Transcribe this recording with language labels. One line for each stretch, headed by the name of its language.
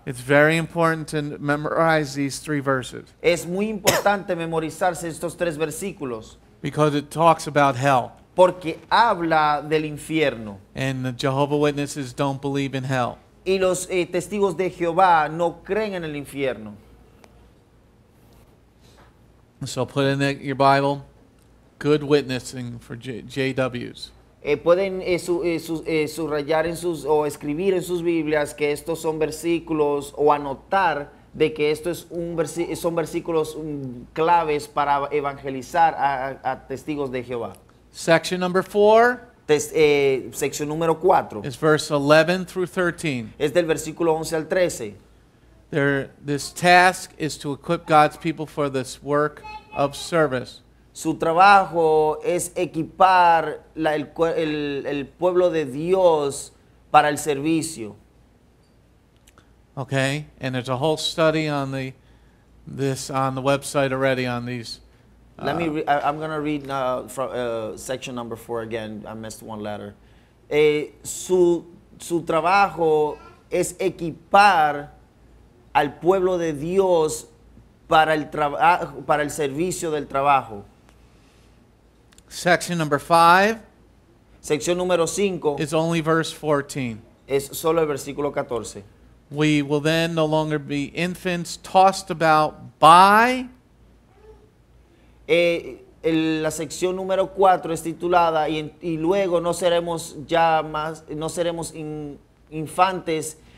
English: it's very important to memorize these three verses.
Spanish: Es muy importante memorizarse estos tres versículos.
English: Because it talks about hell.
Spanish: Porque habla del infierno.
English: And the Jehovah Witnesses don't believe in hell.
Spanish: Y los testigos de Jehová no creen en el infierno.
English: So put in your Bible, good witnessing for JWs.
Spanish: Pueden subrayar en sus o escribir en sus Biblias que estos son versículos o anotar de que esto es un son versículos claves para evangelizar a testigos de Jehová.
English: Section number 4.
Spanish: Sección número 4.
English: Is verse 11 through 13.
Spanish: Es del versículo 11 al 13.
English: There, this task is to equip God's people for this work of service.
Spanish: Su trabajo es equipar el pueblo de Dios para el servicio.
English: Okay, and there's a whole study on this on the website already on these. I'm going to read from section number 4 again. I missed one letter.
Spanish: Su trabajo es equipar al pueblo de Dios para el servicio del trabajo.
English: Section number 5.
Spanish: Sección número 5.
English: It's only verse 14.
Spanish: Es solo el versículo 14.
English: We will then no longer be infants tossed about by.
Spanish: La sección número 4 es titulada y luego no seremos ya más, no seremos infantes.